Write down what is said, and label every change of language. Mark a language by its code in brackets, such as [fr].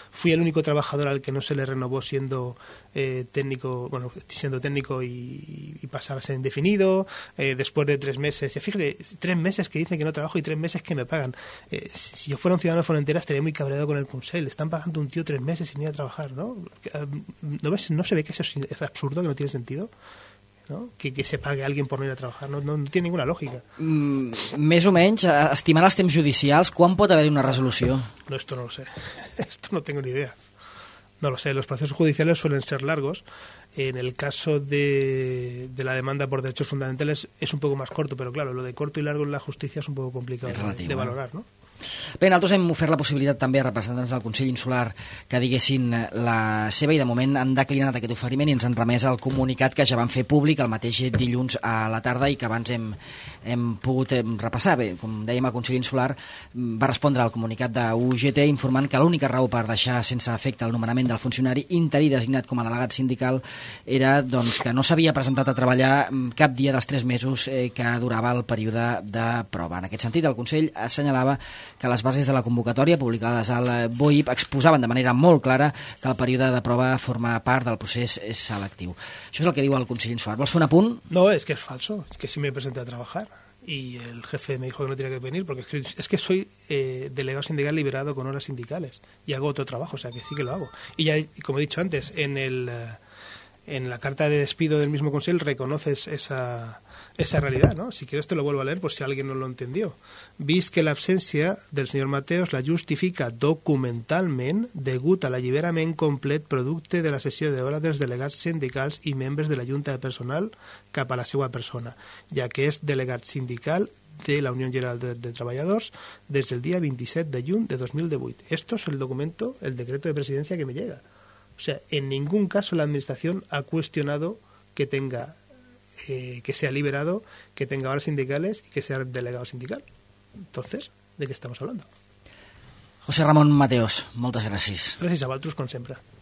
[es] Fui el único trabajador al que no se le renovó siendo técnico y pasar a ser indefinido. Después de 3 meses, fíjate, 3 meses que dicen que no trabajo y 3 meses que me pagan. Si yo fuera un ciudadano de Formentera estaría muy cabreado con el Consell. Están pagando a un tío 3 meses sin ir a trabajar, ¿no? ¿No ves? ¿No se ve que eso es absurdo, que no tiene sentido? No? Que se pague a alguien por no ir a trabajar. No tiene ninguna lógica. [ca] Més o menys, estimant els temps judicials, quan pot haver-hi una resolució? [es] No, esto no lo sé. Esto no tengo ni idea. No lo sé. Los procesos judiciales suelen ser largos. En el caso de la demanda por derechos fundamentales es un poco más corto, pero claro, lo de corto y largo en la justicia es un poco complicado de valorar, ¿no? [ca] Bé, nosaltres hem ofert la possibilitat també a representants del Consell Insular que diguessin la seva i de moment han declinat aquest oferiment i ens han remès el comunicat que ja van fer públic el mateix dilluns a la tarda i que abans hem pogut repassar. Bé, com dèiem, el Consell Insular va respondre al comunicat de UGT informant que l'única raó per deixar sense efecte el nomenament del funcionari interí designat com a delegat sindical era doncs, que no s'havia presentat a treballar cap dia dels 3 mesos que durava el període de prova. En aquest sentit, el Consell assenyalava que les bases de la convocatòria publicades al BOIP exposaven de manera molt clara que el període de prova forma part del procés selectiu. Això és el que diu el Consell Insular. Vols fer un apunt? No, és que és falso. És que si m'he presentat a treballar [es] i el jefe me dijo que no tenia que venir [ca] perquè és que [es] soy delegado sindical liberado con horas sindicales y hago otro trabajo, o sea que sí que lo hago. Y ya, como he dicho antes, en la carta de despido del mismo Consell reconoces esa realidad, ¿no? Si quieres te lo vuelvo a leer por si alguien no lo entendió. [ca] Vist que la ausència del senyor Mateos la justifica documentalment degut a l'alliberament complet producte de la sessió de hora dels delegats sindicals i membres de la Junta de Personal cap a la seva persona, ja que és delegat sindical de la Unió General de Treballadors des del dia 27 de juny de 2018. [es] Esto es el documento, el decreto de presidencia que me llega. O sea, en ningún caso la administración ha cuestionado que tenga que sea liberado, que tenga horas sindicales y que sea delegado sindical. Entonces, ¿de qué estamos hablando? [ca] José Ramón Mateos, moltes gràcies. Gràcies a vosaltres, com sempre.